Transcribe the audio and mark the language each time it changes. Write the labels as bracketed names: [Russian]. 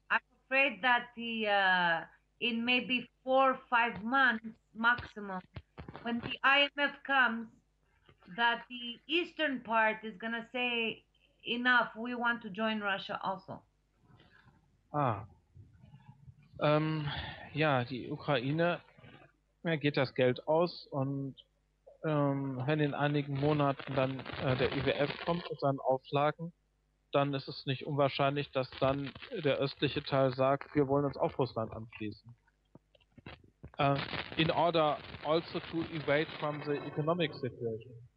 [English] I'm afraid that the in maybe 4 or 5 months maximum, when the IMF comes, that the eastern part is gonna say enough. We want to join Russia also. [German] Ah, ja, die Ukraine, mir geht das Geld aus und wenn in einigen Monaten dann der IWF kommt mit seinen Auflagen, dann ist es nicht unwahrscheinlich, dass dann der östliche Teil sagt, wir wollen uns auf Russland anschließen. [English] In order also to evade from the economic situation.